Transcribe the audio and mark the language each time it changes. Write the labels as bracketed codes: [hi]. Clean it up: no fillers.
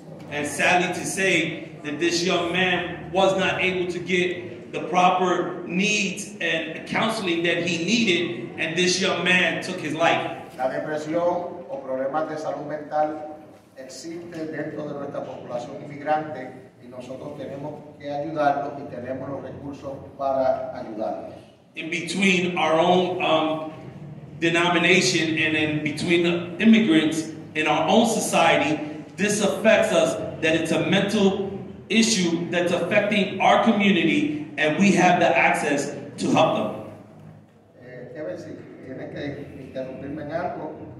[en] And sadly to say that this young man was not able to get the proper needs and counseling that he needed and this young man took his life. [es] La depresión o problemas de salud mental existe dentro de nuestra población inmigrante. Nosotros tenemos que ayudarlos y tenemos los recursos para ayudarlos. [en] In between our own denomination and in between the immigrants in our own society, this affects us that it's a mental issue that's affecting our community and we have the access to help them. [es] Kevin, si tienes que interrumpirme en algo,